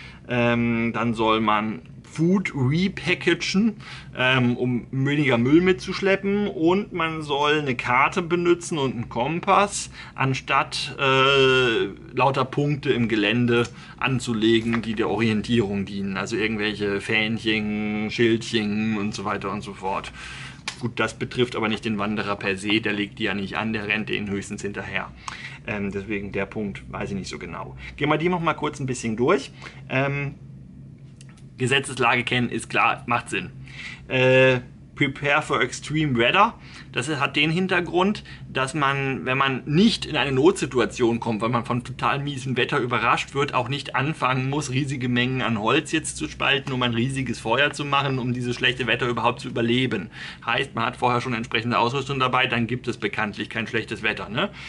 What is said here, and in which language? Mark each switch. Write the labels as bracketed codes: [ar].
[de] Dann soll man Food repackagen, um weniger Müll mitzuschleppen, und man soll eine Karte benutzen und einen Kompass, anstatt lauter Punkte im Gelände anzulegen, die der Orientierung dienen, also irgendwelche Fähnchen, Schildchen und so weiter und so fort. Gut, das betrifft aber nicht den Wanderer per se, der legt die ja nicht an, der rennt den höchstens hinterher. Deswegen der Punkt weiß ich nicht so genau. Gehen wir die noch mal kurz ein bisschen durch. Gesetzeslage kennen ist klar, macht Sinn. [en] Prepare for extreme weather. [de] Das hat den Hintergrund, dass man, wenn man nicht in eine Notsituation kommt, weil man von total miesem Wetter überrascht wird, auch nicht anfangen muss, riesige Mengen an Holz jetzt zu spalten, um ein riesiges Feuer zu machen, um dieses schlechte Wetter überhaupt zu überleben. Heißt, man hat vorher schon entsprechende Ausrüstung dabei, dann gibt es bekanntlich kein schlechtes Wetter. Ne?